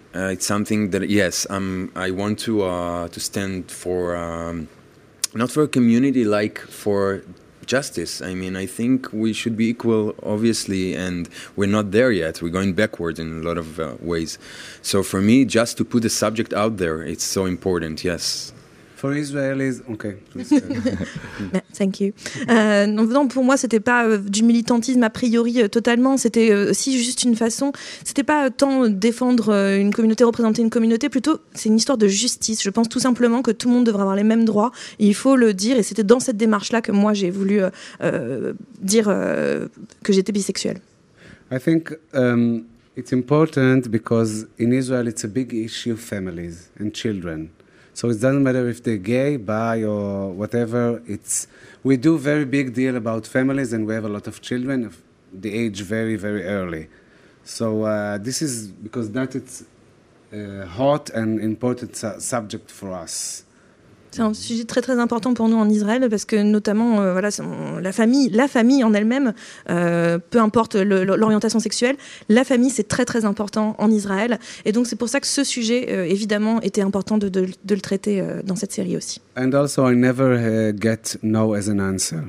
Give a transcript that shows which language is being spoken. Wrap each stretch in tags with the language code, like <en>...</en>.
<en>It's something that yes, I want to stand for not for a community, like for justice. I mean, I think we should be equal, obviously, and we're not there yet. We're going backwards in a lot of ways. So for me, just to put the subject out there, it's so important, yes. For Israelis, okay. Thank you.</en> <fr>Non, pour moi, c'était pas du militantisme a priori totalement. C'était aussi juste une façon. C'était pas tant défendre une communauté, représenter une communauté. Plutôt, c'est une histoire de justice. Je pense tout simplement que tout le monde devrait avoir les mêmes droits. Et il faut le dire. Et c'était dans cette démarche-là que moi j'ai voulu dire que j'étais bisexuelle.</fr> <en>I think it's important because in Israel it's a big issue: families and children. So it doesn't matter if they're gay, bi, or whatever. We do very big deal about families, and we have a lot of children of the age very, very early. So this is because that it's a hot and important subject for us.</en> <fr>C'est un sujet très très important pour nous en Israël parce que notamment la famille en elle-même, peu importe l'orientation sexuelle, la famille c'est très très important en Israël. Et donc c'est pour ça que ce sujet évidemment était important de le traiter dans cette série aussi.</fr> <en>And also I never get no as an answer.</en>